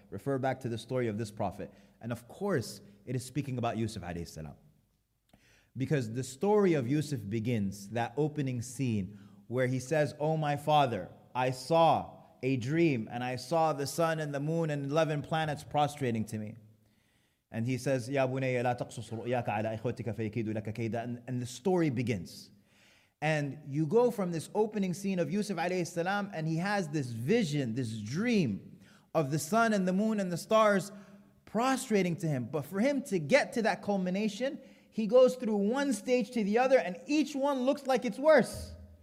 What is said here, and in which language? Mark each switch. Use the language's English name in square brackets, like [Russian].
[English] Refer back to the story of this prophet. And of course, it is speaking about Yusuf alayhi salam. Because the story of Yusuf begins, that opening scene where he says, Oh my father, I saw a dream and I saw the sun and the moon and 11 planets prostrating to me. And he says, [Arabic] يَا بُنَيَّ لَا تَقْصُصُ رُؤْيَاكَ عَلَىٰ إِخْوَتِكَ فَيَكِيدُ لَكَ كَيْدًا. [English] And the story begins. And you go from this opening scene of Yusuf alayhi salam, and he has this vision, this dream of the sun and the moon and the stars prostrating to him. But for him to get to that culmination, he goes through one stage to the other, and each one looks like it's worse.